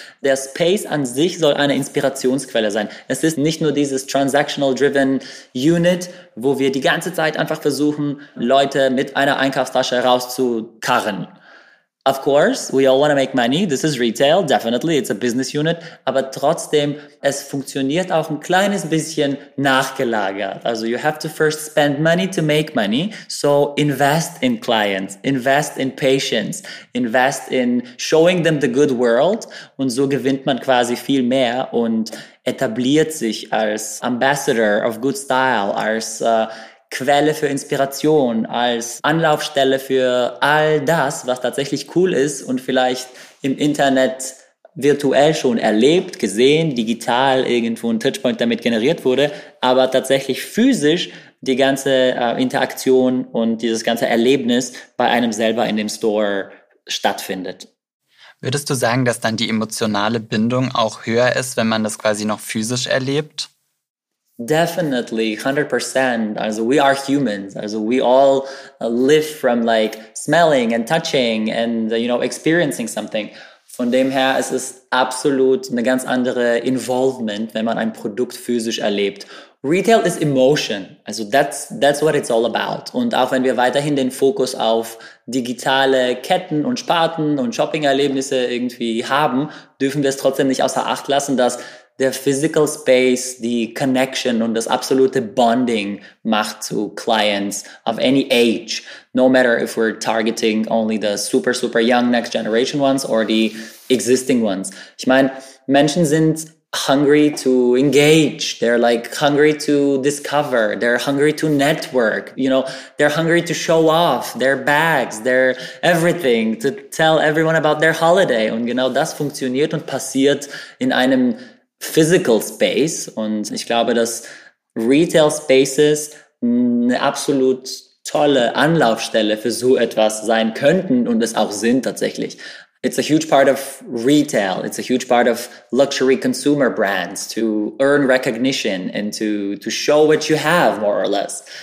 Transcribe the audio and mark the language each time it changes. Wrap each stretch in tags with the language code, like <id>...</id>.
<de>Der Space an sich soll eine Inspirationsquelle sein. Es ist nicht nur dieses transactional-driven Unit, wo wir die ganze Zeit einfach versuchen, Leute mit einer Einkaufstasche rauszukarren.</de> <en>Of course, we all want to make money. This is retail, definitely. It's a business unit.</en> <de>Aber trotzdem, es funktioniert auch ein kleines bisschen nachgelagert.</de> <en>Also you have to first spend money to make money. So invest in clients, invest in patience, invest in showing them the good world.</en> <de>Und so gewinnt man quasi viel mehr und etabliert sich als</de> <en>Ambassador of good style,</en> <de>als Quelle für Inspiration, als Anlaufstelle für all das, was tatsächlich cool ist und vielleicht im Internet virtuell schon erlebt, gesehen, digital irgendwo ein Touchpoint damit generiert wurde, aber tatsächlich physisch die ganze Interaktion und dieses ganze Erlebnis bei einem selber in dem Store stattfindet. Würdest du sagen, dass dann die emotionale Bindung auch höher ist, wenn man das quasi noch physisch erlebt?</de> <en>Definitely, 100%. Also we are humans. Also we all live from like smelling and touching and, you know, experiencing something.</en> <de>Von dem her ist es absolut eine ganz andere Involvement, wenn man ein Produkt physisch erlebt.</de> <en>Retail is emotion. Also that's what it's all about.</en> <de>Und auch wenn wir weiterhin den Fokus auf digitale Ketten und Sparten und Shopping-Erlebnisse irgendwie haben, dürfen wir es trotzdem nicht außer Acht lassen, dass der Physical Space, die Connection und das absolute Bonding macht zu</de> <en>Clients of any age. No matter if we're targeting only the super, super young next generation ones or the existing ones.</en> <de>Ich meine, Menschen sind</de> <en>hungry to engage. They're like hungry to discover. They're hungry to network. You know, they're hungry to show off their bags, their everything, to tell everyone about their holiday.</en> <de>Und genau das funktioniert und passiert in einem Physical Space. Und ich glaube, dass Retail Spaces eine absolut tolle Anlaufstelle für so etwas sein könnten und es auch sind tatsächlich.</de> <en>It's a huge part of retail. It's a huge part of luxury consumer brands to earn recognition and to show what you have, more or less.</en>